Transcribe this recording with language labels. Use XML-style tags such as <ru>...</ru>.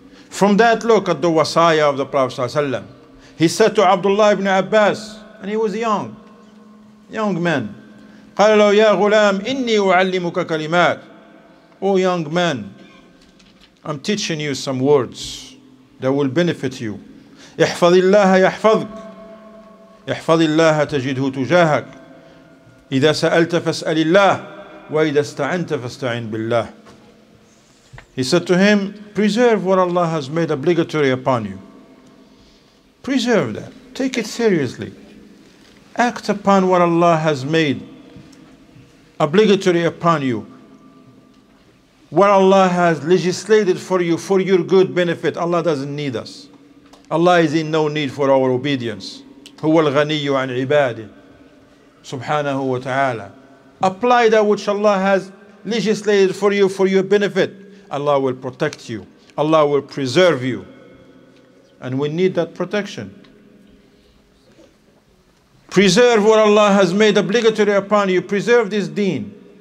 <en>From that, look at the wasaya of the Prophet sallallahu alaihi wasallam. He said to Abdullah ibn Abbas, and he was young man,</en> <ar>قَالَ لَوْ يَا غُلَامِ إِنِّي أُعَلِّمُكَ كَلِمَاتٍ.</ar> <en>Oh young man, I'm teaching you some words that will benefit you.</en> <ar>احفظ الله يحفظك احفظ الله تجده تجاهك إذا سألت فاسأل الله وإذا استعنت فاستعن بالله.</ar> <en>He said to him, preserve what Allah has made obligatory upon you. Preserve that. Take it seriously. Act upon what Allah has made obligatory upon you. What Allah has legislated for you, for your good benefit. Allah doesn't need us. Allah is in no need for our obedience.</en> <ar>هو الغني عن عباده سبحانه وتعالى.</ar> <en>Apply that which Allah has legislated for your benefit. Allah will protect you. Allah will preserve you. And we need that protection. Preserve what Allah has made obligatory upon you. Preserve this deen.</en>